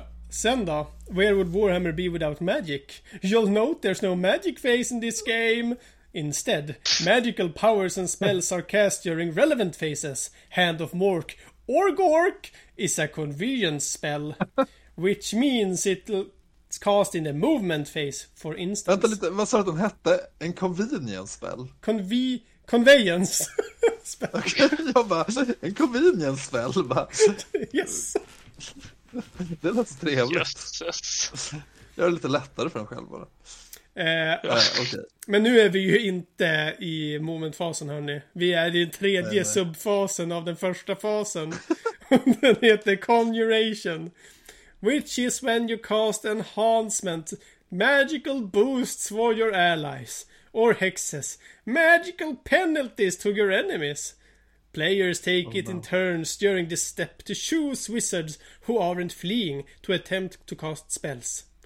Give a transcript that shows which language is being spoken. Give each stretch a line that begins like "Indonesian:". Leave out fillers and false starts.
Swedish: Sen då,
English: where would Warhammer be without magic? You'll note there's no magic phase in this game. Instead, magical powers and spells are cast during relevant phases. Hand of Mork or Gork is a convenience spell, which means it's cast in the movement phase, for instance.
Swedish: Vänta lite, vad sa du att den hette? En convenience spell?
English: Conveyance spell.
Swedish: Okej, jag bara, en convenience spell, va?
English: Yes.
Swedish: Det låter trevligt. Just, Jag är lite lättare för den själv bara.
English: Okay.
Swedish: Men nu är vi ju inte i momentfasen, hörni. Vi är i den tredje subfasen av den första fasen. Den heter
English: Conjuration, which is when you cast enhancement, magical boosts for your allies, or hexes, magical penalties to your enemies. Players take in turns during this step to choose wizards who aren't fleeing to attempt to cast spells.